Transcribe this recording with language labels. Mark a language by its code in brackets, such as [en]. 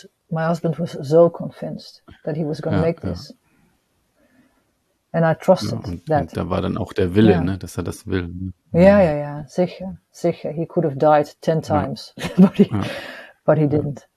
[en] My husband was so convinced that he was going to make this. And I trusted that. [de] Und da war dann auch der Wille, dass er das will. Sicher. [en] He could have died 10 times, but he didn't.